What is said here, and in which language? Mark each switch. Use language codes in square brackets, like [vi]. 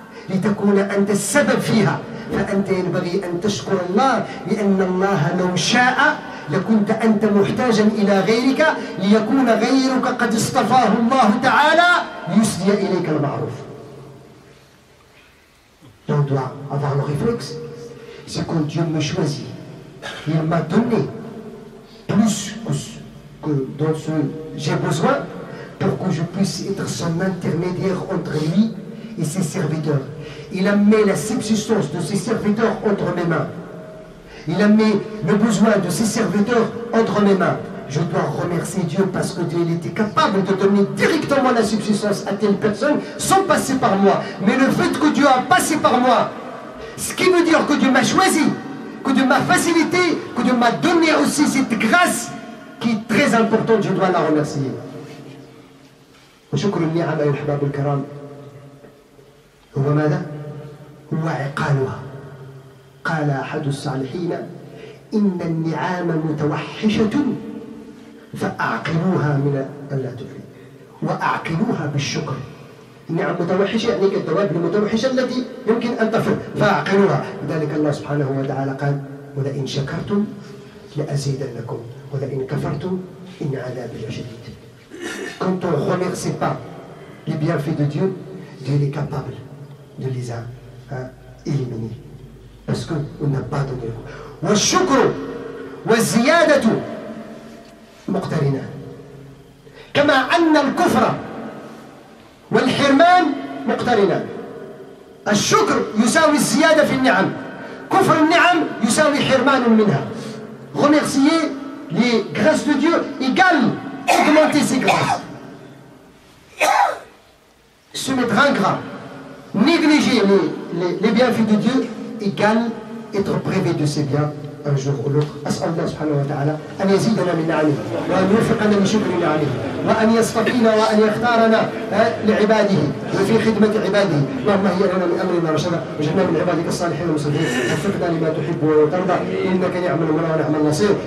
[ar] لتكون أنت السبب فيها فأنت ينبغي أن تشكر الله لأن الله لو شاء لكنت أنت محتاجا إلى غيرك ليكون غيرك قد اصطفاه الله تعالى ليسدي إليك المعروف. [fr] On doit avoir le réflexe, c'est quand Dieu me choisit, il m'a donné plus que dans ce j'ai besoin pour que je puisse être son intermédiaire entre lui et ses serviteurs. Il a mis la subsistance de ses serviteurs entre mes mains. Il a mis le besoin de ses serviteurs entre mes mains. Je dois remercier Dieu parce que Dieu était capable de donner directement la subsistance à telle personne sans passer par moi. Mais le fait que Dieu a passé par moi, ce qui veut dire que Dieu m'a choisi, que Dieu m'a facilité, que Dieu m'a donné aussi cette grâce qui est très importante, je dois la remercier. [ar] شكرني على الحباب الكرام هو ماذا هو عقالها قال أحد الصالحين إن النعام متوحشة فأعقلوها من ألا تفلي وأعقلوها بالشكر. النعم متوحشة يعني كالدواب المتوحشة التي يمكن أن تفر فأعقلوها. لذلك الله سبحانه وتعالى قال ولئن شكرتم لأزيدنكم ولئن كفرتم إن عذابي لشديد. [fr] Quand on ne remercie pas les bienfaits de Dieu, Dieu est capable de les éliminer. Parce qu'on n'a pas donné le goût. [ar] مقترنا كما أن الكفر والحرمان مقترنا الشكر يساوي الزيادة في النعم كفر النعم يساوي حرمان منها [fr] remercier les grâces de Dieu égale augmenter ses grâces se mettre ingrat négliger les bienfaits de Dieu égale être privé de ses biens un jour ou l'autre. [ar] أسأل الله سبحانه وتعالى أن يزيدنا من نعمه وأن يوفقنا لشكر نعمه وأن يصفقنا وأن يختارنا لعباده وفي خدمة عباده. اللهم هيئ لنا من أمرنا رشدا وجعلنا من عبادك الصالحين المصلحين وفقنا لما تحب وترضى إنك نعم المولى ونعم النصير.